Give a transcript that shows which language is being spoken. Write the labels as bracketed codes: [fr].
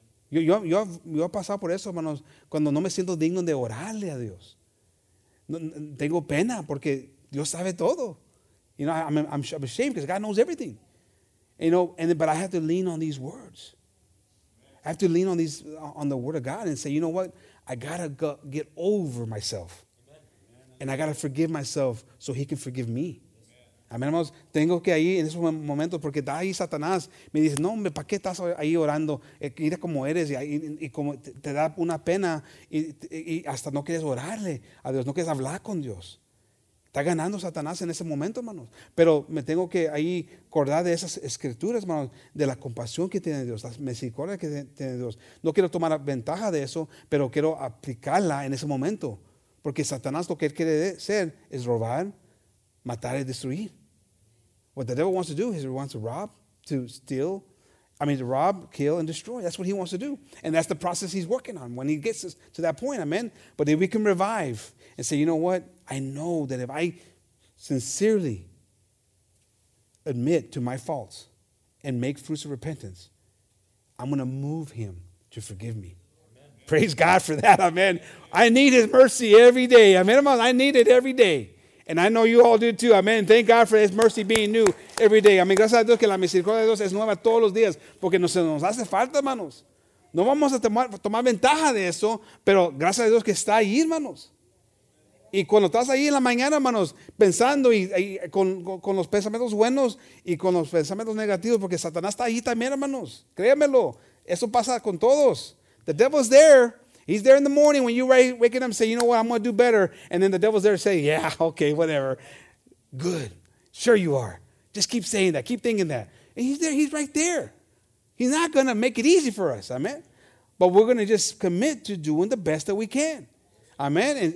[es] Yo he pasado por eso, hermanos, cuando no me siento digno de orarle a Dios. Tengo pena porque Dios sabe todo. [en] You know, I'm ashamed because God knows everything. You know, but I have to lean on these words. I have to lean on these on the Word of God and say, you know what? I got to get over myself. Amen. And I got to forgive myself so he can forgive me. Amen. Amen. Tengo que ahí en esos momentos porque da ahí Satanás. Me dice, no, hombre, ¿para qué estás ahí orando? Mira cómo eres y como te da una pena y hasta no quieres orarle a Dios, no quieres hablar con Dios. Está ganando Satanás en ese momento, hermanos. Pero me tengo que ahí acordar de esas escrituras, hermanos, de la compasión que tiene Dios, la misericordia que tiene Dios. No quiero tomar ventaja de eso, pero quiero aplicarla en ese momento. Porque Satanás lo que él quiere hacer es robar, matar y destruir. What the devil wants to do is he wants to rob, to steal. I mean, to rob, kill, and destroy. That's what he wants to do. And that's the process he's working on when he gets us to that point, amen? But then we can revive and say, you know what? I know that if I sincerely admit to my faults and make fruits of repentance, I'm going to move him to forgive me. Amen. Praise God for that. Amen. I need his mercy every day. Amen. I need it every day. And I know you all do too. Amen. Thank God for his mercy being new every day. Amen. [es] Gracias a Dios que la misericordia de Dios es nueva todos los días. Porque no se nos hace falta, hermanos. No vamos a tomar ventaja de eso. Pero gracias a Dios que está ahí, hermanos. Y cuando estás ahí en la mañana, hermanos, pensando y con los pensamientos buenos y con los pensamientos negativos, porque Satanás está ahí también, hermanos. Créanmelo. Eso pasa con todos. [en] The devil's there. He's there in the morning when you wake up and say, you know what, I'm going to do better. And then the devil's there to say, yeah, okay, whatever. Good. Sure you are. Just keep saying that. Keep thinking that. And he's there. He's right there. He's not going to make it easy for us. Amen. But we're going to just commit to doing the best that we can. Amen.